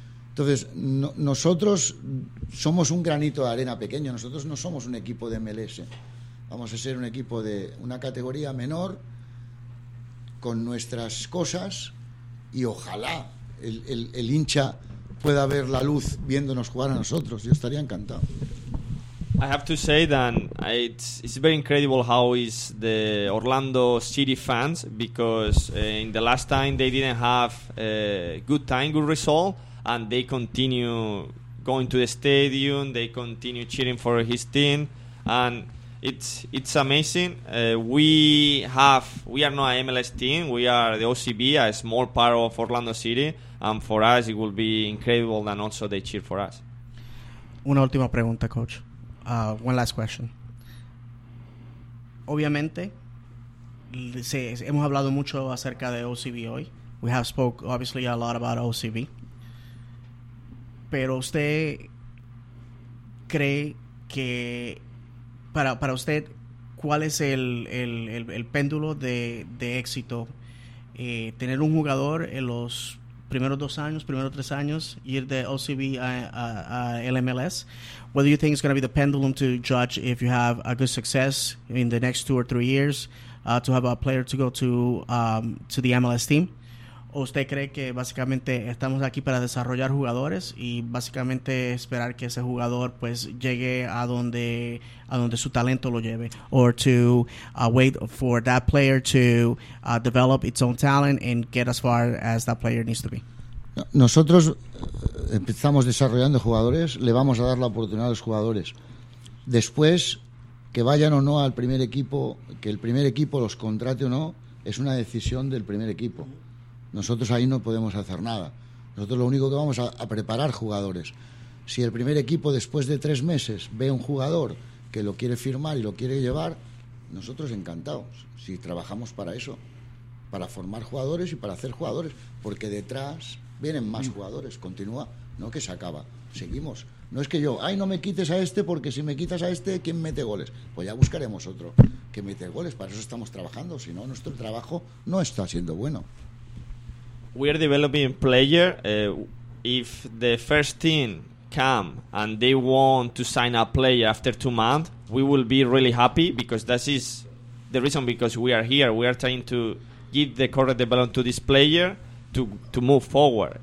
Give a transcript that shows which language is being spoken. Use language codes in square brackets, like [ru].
[es] Entonces, nosotros somos un granito de arena pequeño, nosotros no somos un equipo de MLS, vamos a ser un equipo de una categoría menor con nuestras cosas y ojalá el hincha pueda ver la luz viéndonos jugar a nosotros. Yo estaría encantado. [en] I have to say that it's very incredible how is the Orlando City fans, because in the last time they didn't have a good time, good result, and they continue going to the stadium, they continue cheering for his team, and It's amazing. We are not an MLS team. We are the OCB, a small part of Orlando City. And for us, it will be incredible. And also, they cheer for us. [es] Una última pregunta, coach. [en] One last question. [es] Obviamente, hemos hablado mucho acerca de OCB hoy. [en] We have spoke, obviously, a lot about OCB. [es] Pero usted cree que... Para usted, ¿cuál es el péndulo de éxito? ¿Tener un jugador en los primeros 2 años, primeros 3 años, ir de OCB a MLS? [en] What do you think is going to be the pendulum to judge if you have a good success in the next 2 or 3 years to have a player to go to the MLS team? [es] ¿O usted cree que básicamente estamos aquí para desarrollar jugadores y básicamente esperar que ese jugador pues llegue a donde su talento lo lleve? [en] Or to wait for that player to develop its own talent and get as far as that player needs to be? [es] Nosotros empezamos desarrollando jugadores, le vamos a dar la oportunidad a los jugadores. Después, que vayan o no al primer equipo, que el primer equipo los contrate o no, es una decisión del primer equipo. Nosotros ahí no podemos hacer nada. Nosotros lo único que vamos a preparar jugadores. Si el primer equipo después de tres meses ve un jugador que lo quiere firmar y lo quiere llevar, nosotros encantados. Si trabajamos para eso, para formar jugadores y para hacer jugadores, porque detrás vienen más jugadores. Continúa, no que se acaba, seguimos. No es que yo, ay, no me quites a este, porque si me quitas a este, ¿quién mete goles? Pues ya buscaremos otro que mete goles. Para eso estamos trabajando, si no, nuestro trabajo no está siendo bueno. [en] We are developing player. If the first team come and they want to sign a player after 2 months, we will be really happy, because that is the reason because we are here. We are trying to give the correct development to this player to move forward.